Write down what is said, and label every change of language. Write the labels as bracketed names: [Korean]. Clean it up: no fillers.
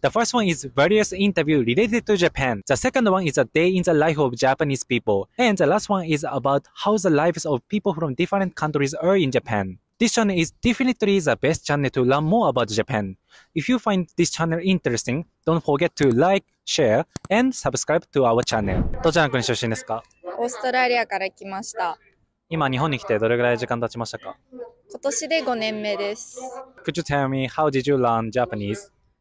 [English] The first one is various interviews related to Japan. The second one is a day in the life of Japanese people. And the last one is about how the lives of people from different countries are in Japan. This channel is definitely the best channel to learn more about Japan. If you find this channel interesting, don't forget to like, share, and subscribe to our channel. [Japanese] どちらの国出身ですか？オーストラリアから来ました。今日本に来てどれぐらい時間経ちましたか？今年で5年目です。 [English] Could you tell me how did you learn Japanese?